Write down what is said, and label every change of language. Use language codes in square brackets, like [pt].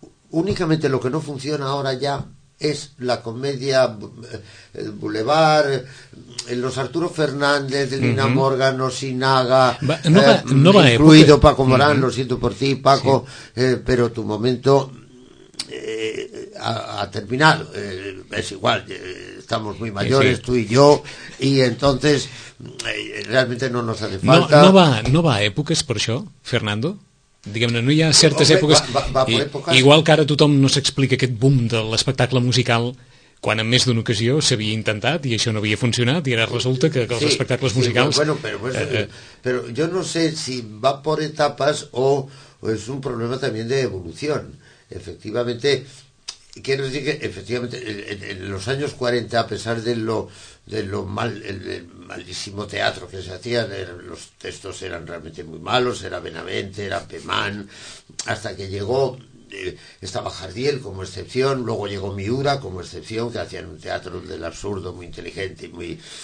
[es] únicamente lo que no funciona ahora ya es la comedia, el Boulevard, los Arturo Fernández, Lina Morgan, Osinaga, incluido Paco Morán, lo siento por ti, Paco, sí. Pero tu momento ha terminado. Es igual, estamos muy mayores, sí, tú y yo, y entonces realmente no nos hace falta. [ca] No va a épocas por això, Fernando. Diguem-ne, no hi ha certes èpoques, igual que ara tothom no s'explica aquest boom de l'espectacle musical, quan en més d'una ocasió s'havia intentat i això no havia funcionat, i ara resulta que els espectacles musicals... Sí, però jo no sé si va [es] por etapas [ca] o és un problema també d'evolució. [es] Efectivamente, quiero decir que efectivamente en los años 40, a pesar de lo mal, el malísimo teatro que se hacía, los textos eran realmente muy malos, era Benavente, era Pemán, hasta que llegó, estaba Jardiel como excepción, luego llegó Miura como excepción, que hacían un teatro del absurdo muy inteligente y muy...